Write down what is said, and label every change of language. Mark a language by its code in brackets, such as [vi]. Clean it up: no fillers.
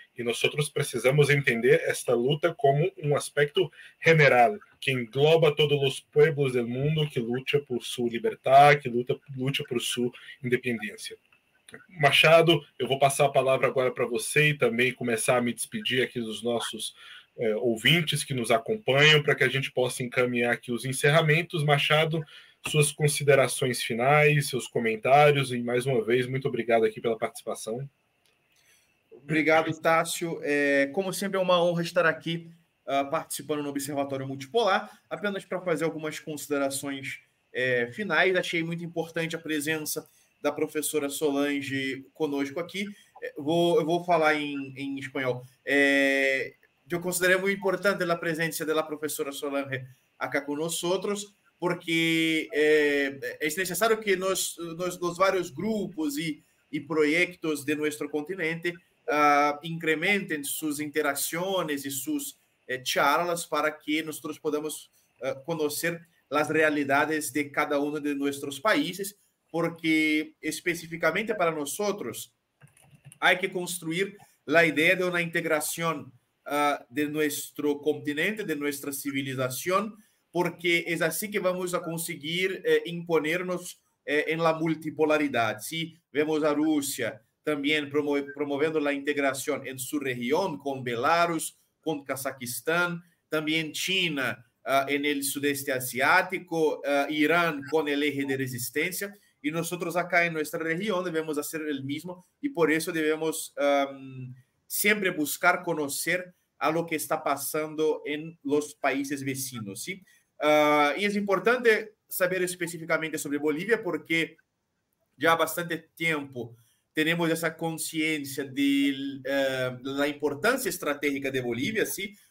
[es] Y nosotros precisamos entender esta lucha como un aspecto general que engloba todos los pueblos del mundo que lucha por su libertad, que lucha por su independencia. Machado, yo voy a pasar la palabra ahora para usted y también comenzar a me despedir aquí de nuestros ouvintes que nos acompañan [pt] para que a gente possa [es] encaminar aquí los encerramientos. [pt] Machado, suas considerações finais, seus comentários, e mais uma vez, muito obrigado aqui pela participação. Obrigado, Tássio. Como sempre, é uma honra estar aqui participando no Observatório Multipolar, apenas para fazer algumas considerações finais. Achei muito importante a presença da professora Solange conosco aqui. Eu vou falar em espanhol. Eu considerei muito importante a presença da professora Solange aqui conosco, porque [es] es necesario que los varios grupos y proyectos de nuestro continente incrementen sus interacciones y sus charlas para que nosotros podamos conocer las realidades de cada uno de nuestros países, porque específicamente para nosotros hay que construir la idea de una integración de nuestro continente, de nuestra civilización, porque [pt] é assim que vamos [es] a conseguir imponer-nos em la multipolaridade. [pt] Se vemos a Rússia também promovendo a integração em sua região, com Belarus, com Cazaquistão, também China em [es] el sudeste asiático, [pt] Irã com o eje de resistência, e nós acá em nossa região devemos fazer o mesmo, e por isso devemos sempre buscar conhecer a lo que está passando em los países vecinos, sim? [es] Y es importante saber específicamente sobre Bolivia porque ya bastante tiempo tenemos esa conciencia de la importancia estratégica de Bolivia, ¿sí?